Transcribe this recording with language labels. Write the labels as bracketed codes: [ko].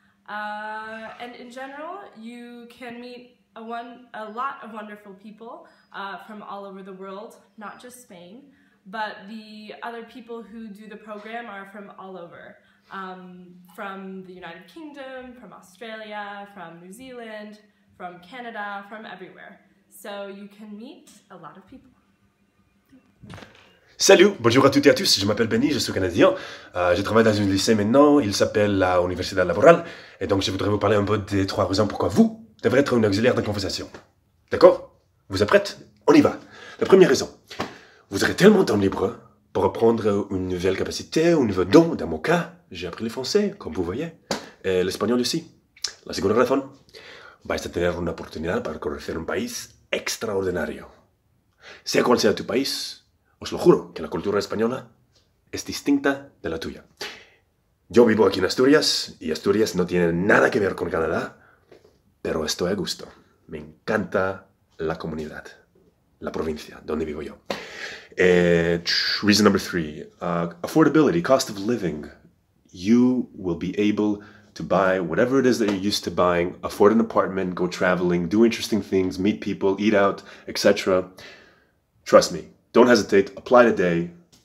[en] And in general, you can meet a lot of wonderful people from all over the world, not just Spain, but the other people who do the program are from all over, from the United Kingdom, from Australia, from New Zealand, from Canada, from everywhere. So you can meet a lot of people. [fr] Salut, bonjour à toutes et à tous, je m'appelle Benny, je suis canadien, je travaille dans un lycée maintenant, il s'appelle la Université Laborale, et donc je voudrais vous parler un peu des trois raisons pourquoi vous devrez être une auxiliaire de conversation. D'accord? Vous êtes prête? On y va. La première raison, vous aurez tellement de temps libre pour apprendre une nouvelle capacité, un nouveau don. Dans mon cas, j'ai appris le français, comme vous voyez, et l'espagnol aussi. La seconde raison, vais-je avoir une opportunité pour connaître un pays extraordinaire. C'est quoi c'est à ton pays? [es] Os lo juro que la cultura española es distinta de la tuya. Yo vivo aquí en Asturias y Asturias no tiene nada que ver con Canadá, pero estoy a gusto. Me encanta la comunidad, la provincia donde vivo yo. [en] Reason number three, affordability, cost of living. You will be able to buy whatever it is that you're used to buying, afford an apartment, go traveling, do interesting things, meet people, eat out, etc. Trust me. Don't hesitate, apply today.